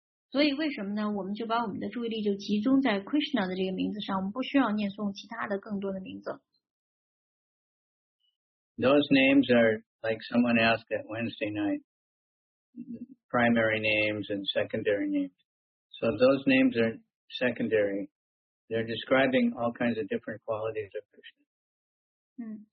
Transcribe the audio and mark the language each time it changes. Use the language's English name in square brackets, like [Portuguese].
[Chinese] 所以为什么呢? 我们就把我们的注意力就集中在 Krishna 的这个名字上, 我们不需要念诵其他的更多的名字。 [English] Those names are like someone asked at Wednesday night, primary names and secondary names. So those names are secondary. They're describing all kinds of different qualities of Krishna.